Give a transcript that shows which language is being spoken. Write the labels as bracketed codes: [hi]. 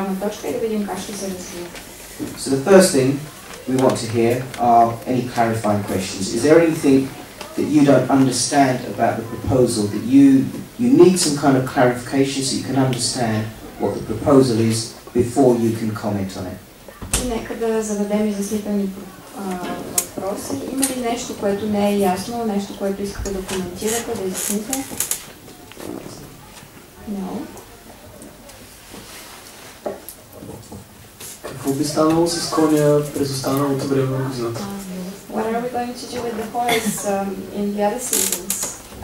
[en] So the first thing we want to hear are any clarifying questions. Is there anything that you don't understand about the proposal that you need some kind of clarification so you can understand what the proposal is before you can comment on it? [bg] Нека да зададем изяснителни въпроси. Има ли нещо, което не е ясно, нещо, което искате да коментирате, да изясните? [en] No. [bg] Какво би станало с коня през останалото време на годината? [en] What are we going to do with the horse in the other seasons?